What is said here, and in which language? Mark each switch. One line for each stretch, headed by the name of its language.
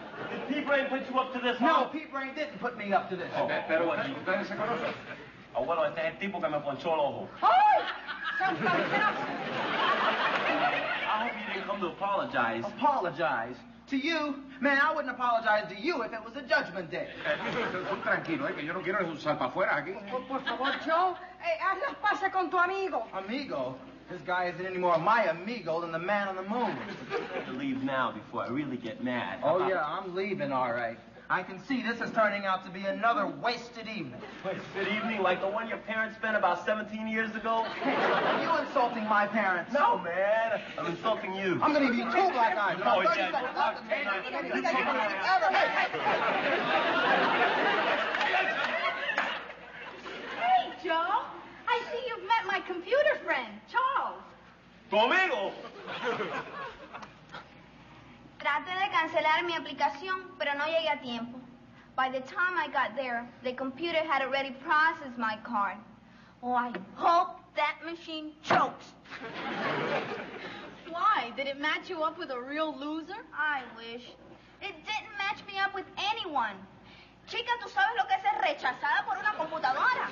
English: Did Pea Brain put you up to this? No, Pea Brain didn't put me up to this. Oh, pero what?
Spanish: ¿Ustedes se conocen? Oh, bueno, este es el tipo que me ponchó el ojo. Oh!
English: I hope you didn't come to apologize. Apologize? To you? Man, I wouldn't apologize to you if it was a judgment day.
Spanish: Tranquilo, que yo no quiero un salpafuera aquí. Por favor, Joe, haz las paces con tu amigo. Amigo?
English: This guy isn't any more my amigo than the man on the moon. Leave now before I really get mad. Oh, yeah, I'm leaving, all right. I can see this is turning out to be another wasted evening. Wasted evening? Like the one your parents spent about 17 years ago? Hey, are you insulting my parents? No, man. I'm insulting you. I'm gonna give you two black eyes. No, it's not. Hey, hey, hey, hey, Joe. I see you've met my computer friend, Charles.
Spanish: Tu amigo. Traté de cancelar mi aplicación, pero no llegué a tiempo.
English: By the time I got there, the computer had already processed my card. Oh, I hope that machine chokes. Why? Did it match you up with a real loser? I wish. It didn't match me up with anyone.
Spanish: Chica, ¿tú sabes lo que es ser rechazada por una computadora?